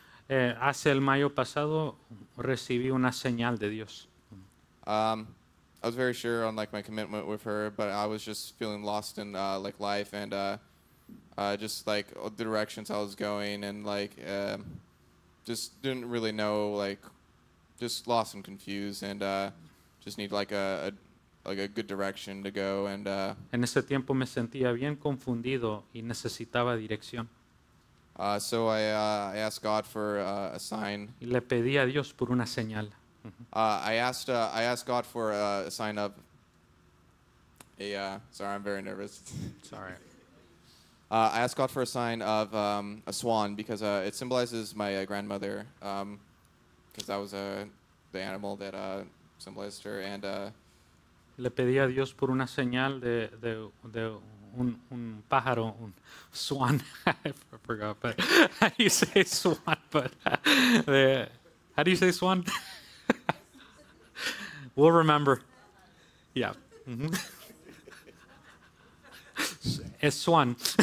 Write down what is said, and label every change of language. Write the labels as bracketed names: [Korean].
[Spanish] hace el mayo pasado recibí una señal de Dios. [English] I was very sure on like my commitment with her, but I was just feeling lost in like life and just like the directions I was going, and like just didn't really know, like just lost and confused, and just need like a good direction to go. And [Spanish] en ese tiempo me sentía bien confundido y necesitaba dirección. [English] So I asked God for a sign. [Spanish] Y le pedí a Dios por una señal. [English] I asked God for a sign of a sorry, I'm very nervous. Sorry. I asked God for a sign of a swan because it symbolizes my grandmother, because that was the animal that symbolized her. And [Spanish] le pedí a Dios por una señal de un pájaro, un swan. [English] I forgot, but how do you say swan? But how do you say swan? We'll remember. Yeah. Mm-hmm. It's swan.